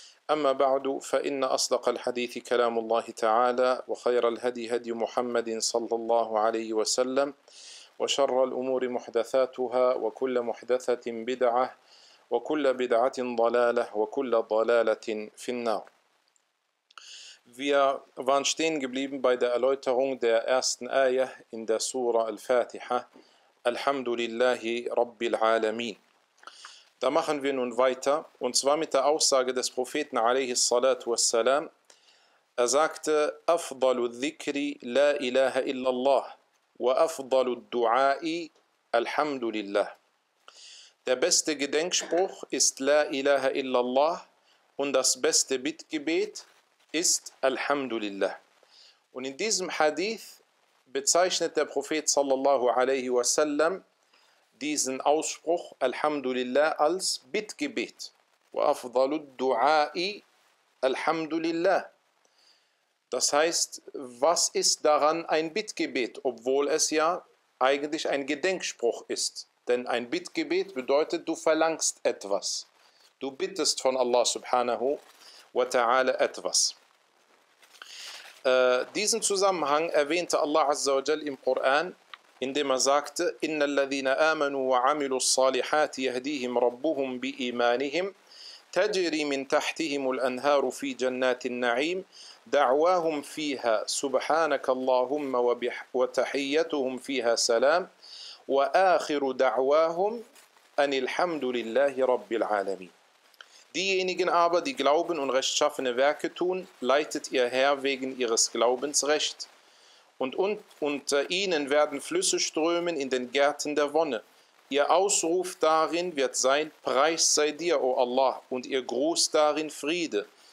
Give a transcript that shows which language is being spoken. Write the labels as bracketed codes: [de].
[ar] أما بعد فإن أصدق الحديث كلام الله تعالى وخير الهدي هدي محمد صلى الله عليه وسلم وشر الأمور محدثاتها وكل محدثة بدعة وكل بدعة ضلالة وكل ضلالة في النار. [de] Wir waren stehen geblieben bei der Erläuterung der ersten Ayah in der Sura Al-Fatiha. Alhamdulillahi Rabbil Alamin. Da machen wir nun weiter, und zwar mit der Aussage des Propheten alayhi salatu wassalam. Er sagte: [ar] أفضل الذكر لا إله إلا الله وأفضل الدعاء الحمد لله. [de] Der beste Gedenkspruch ist La ilaha illallah, und das beste Bittgebet ist Alhamdulillah. Und in diesem Hadith bezeichnet der Prophet sallallahu alaihi wasallam diesen Ausspruch Alhamdulillah als Bittgebet. [ar] وأفضل الدعاء الحمد لله. [de] Das heißt, was ist daran ein Bittgebet, obwohl es ja eigentlich ein Gedenkspruch ist? Denn ein Bittgebet bedeutet, du verlangst etwas. Du bittest von Allah subhanahu wa ta'ala etwas. Diesen Zusammenhang erwähnte Allah azza wa jal im Koran, indem er sagte: [ar] إِنَّ الَّذِينَ آمَنُوا وَعَمِلُوا الصَّالِحَاتِ يَهْدِيهِمْ رَبُّهُمْ بِإِيمَانِهِمْ تَجْرِي مِنْ تَحْتِهِمُ الْأَنْهَارُ فِي جَنَّاتِ النَّعِيمِ دعواهم فيها سبحانك اللهم وتحيتهم فيها سلام وآخر دعواهم أن الحمد لله رب العالمين. [de] Diejenigen aber, die Glauben und rechtschaffene Werke tun, leitet ihr Herr wegen ihres Glaubens recht. Und unter ihnen werden Flüsse strömen in den Gärten der Wonne. Ihr Ausruf darin wird sein: Preis sei dir, O Allah, und ihr Gruß darin Friede.